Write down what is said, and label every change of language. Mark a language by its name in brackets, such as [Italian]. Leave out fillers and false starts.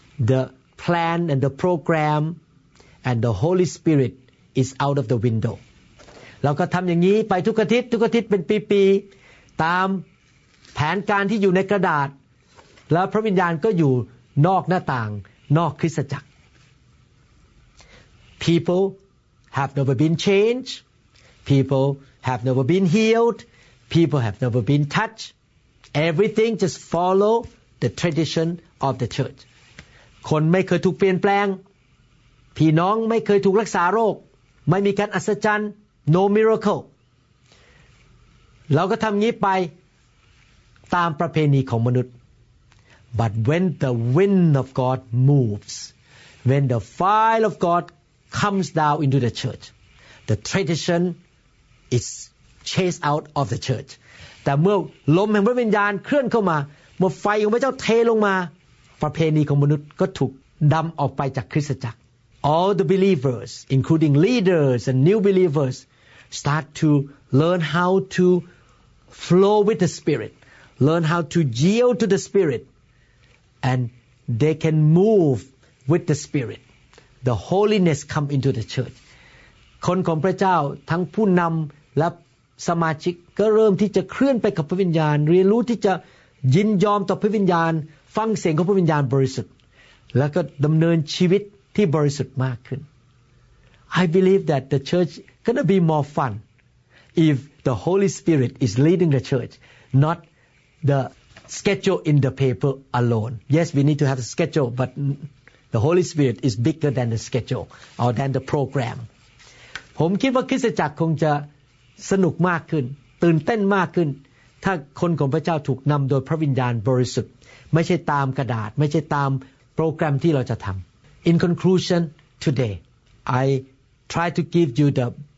[English] the plan and the program and the Holy Spirit is out of the window [Thai] เราก็ทำอย่างนี้ไปทุกอาทิตย์ทุกอาทิตย์เป็นปีๆตามแผนการที่อยู่ในกระดาษแล้วพระวิญญาณก็อยู่นอกหน้าต่างนอกคริสตจักร [English] People have never been changed. People have never been healed. People have never been touched. Everything just follow the tradition of the church. [Thai] คนไม่เคยถูกเปลี่ยนแปลงพี่น้องไม่เคยถูกรักษาโรคไม่มีการอัศจรรย์ [English] no miracle. [Thai] เราก็ทำงี้ไปตามประเพณีของมนุษย์ [English] But when the wind of God moves, when the fire of Godcomes down into the church. The tradition is chased out of the church. [Thai] แต่เมื่อลมแห่งพระวิญญาณเคลื่อนเข้ามาเมื่อไฟของพระเจ้าเทลงมาประเพณีของมนุษย์ก็ถูกดำออกไปจากคริสตจักร [English] All the believers, including leaders and new believers, start to learn how to flow with the Spirit, learn how to yield to the Spirit, and they can move with the Spirit. The holiness come into the church. [Thai] คนของพระเจ้าทั้งผู้นำและสมาชิกก็เริ่มที่จะเคลื่อนไปกับพระวิญญาณเรียนรู้ที่จะยินยอมต่อพระวิญญาณฟังเสียงของพระวิญญาณบริสุทธิ์ แล้วก็ดำเนินชีวิตที่บริสุทธิ์มากขึ้น [English] I believe that the church gonna be more fun if the Holy Spirit is leading the church, not the schedule in the paper alone. Yes, we need to have a schedule, but the Holy Spirit is bigger than the schedule or than the program. [Thai] ผมคิดว่าคริสตจักรคงจะสนุกมากขึ้นตื่นเต้นมากขึ้นถ้าคนของพระเจ้าถูกนำโดยพระวิญญาณบริสุทธิ์ไม่ใช่ตามกระดาษไม่ใช่ตามโปรแกรมที่เราจะทำ [English] In conclusion today I try to give you the